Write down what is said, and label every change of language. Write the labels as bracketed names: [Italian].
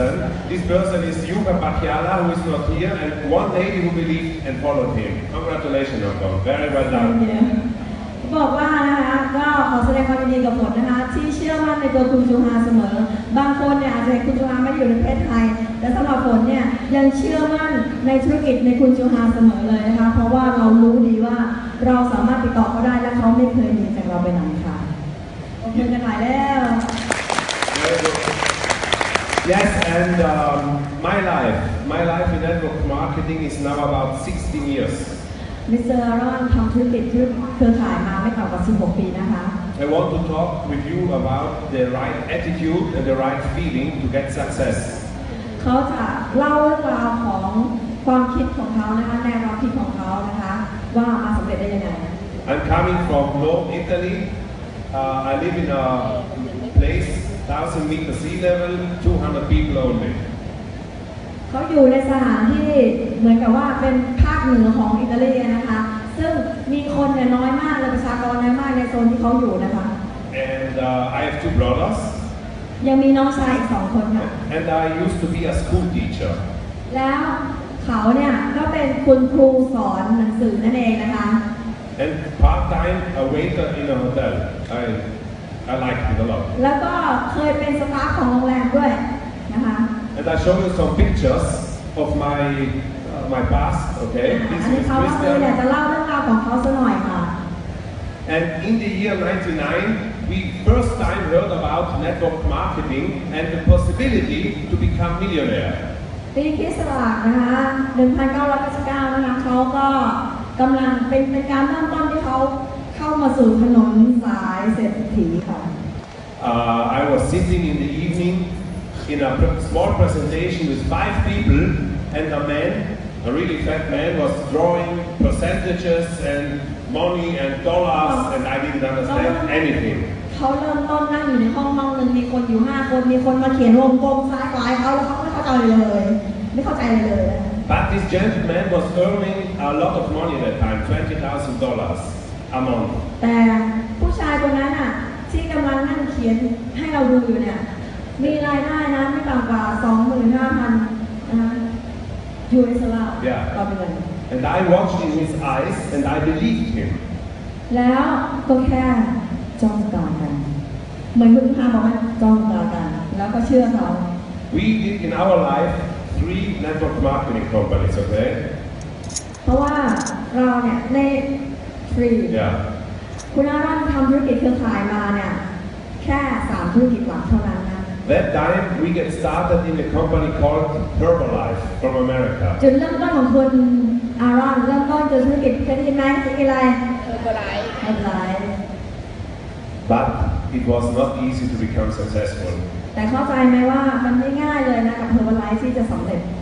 [English] And followed him. Congratulations, Hong Kong. Very well done. Thank you. [Thai] บอกว่านะคะก็ขอแสดงความยินดีกับหมดนะคะที่เชื่อมั่นในตัวคุณจุฬาเสมอบางคนเนี่ยอาจจะคุณจุฬาไม่ได้อยู่ในประเทศไทยแต่สำหรับฝนเนี่ยยังเชื่อมั่นในธุรกิจในคุณจุฬาเสมอเลยนะคะเพราะว่าเรารู้ดีว่าเราสามารถติดต่อเขาได้และเขาไม่เคยหนีจากเราไปไหนค่ะโอเคกันหลายแล้ว [English] Yes and my life in network marketing is now about 16 years Mr. [Thai] Aron ทำธุรกิจเครือข่ายมาไม่ต่ำกว่า16ปีนะคะ [English] I want to talk with you about the right attitude and the right feeling to get success [Thai] เขาจะเล่าเรื่องราวของความคิดของเขานะคะแนวความคิดของเขานะคะว่ามาสำเร็จได้ยังไง [English] I'm coming from Rome, Italy. I live in a place 1,000 meter sea level, 200 people only. [Thai] เขาอยู่ในสถานที่เหมือนกับว่าเป็นภาคเหนือของอิตาลีนะคะซึ่งมีคนเนี่ยน้อยมากและประชากรน้อยมากในโซนที่เขาอยู่นะคะ [English] And I have two brothers. [Thai] ยังมีน้องชายอีก2คนค่ะ [English] And I used to be a school teacher. [Thai] แล้วเขาเนี่ยก็เป็นคุณครูสอนหนังสือนั่นเองนะคะ [English] And part time a waiter in a hotel. I like it a lot. [Thai] แล้วก็เคยเป็นสตาฟของโรงแรมด้วยนะคะ [English] And I show you some pictures of my past, okay? This is Christian. [Thai] จะเล่าเรื่องราวของเขาสักหน่อยค่ะ [English] And in the year 99, we first time heard about network marketing and the possibility to become millionaire. [Thai] ปีคริสต์ศักราชนะคะ 1999 นะคะเขาก็กำลังเป็นการเริ่มต้นที่เขาเข้ามาสู่ถนนสายเศรษฐกิจค่ะ [English] I was sitting in the evening in a small presentation with 5 people and a man. A really fat man was drawing percentages and money and dollars, and I didn't understand anything. [Thai] เขาเริ่มต้นนั่งอยู่ในห้องนึงมีคนอยู่ห้าคนมีคนมาเขียนวงกลมซ้ายขวาเขาแล้วเขาไม่เข้าใจเลยไม่เข้าใจเลย [English] But this gentleman was earning a lot of money at that time, $20,000 a month. [Thai] แต่ผู้ชายคนนั้นอ่ะที่กำลังนั่งเขียนให้เราดูอยู่เนี่ยมีรายได้นะไม่ต่ำกว่า25,000 [English] Yeah. And I watched in his eyes, and I believed him. [Thai] แล้วก็แค่จ้องตากันเหมือนคุณพาบอกว่าจ้องตากันแล้วก็เชื่อเขา [English] We did in our life 3 network marketing companies, okay? [Thai] เพราะว่าเราเนี่ยใน3 [English] Yeah. [Thai] คุณอารันทำธุรกิจเครือข่ายมาเนี่ยแค่3ธุรกิจหลักเท่านั้น [English] That time we get started in a company called Herbalife from America. [Thai] จุดเริ่มต้นของคุณอารอนเริ่มต้นจากธุรกิจเป็นยังไงธุรกิจอะไร [English] Herbalife. But it was not easy to become successful. [Thai] แต่เข้าใจไหมว่ามันไม่ง่ายเลยนะกับ Herbalife ที่จะสำเร็จ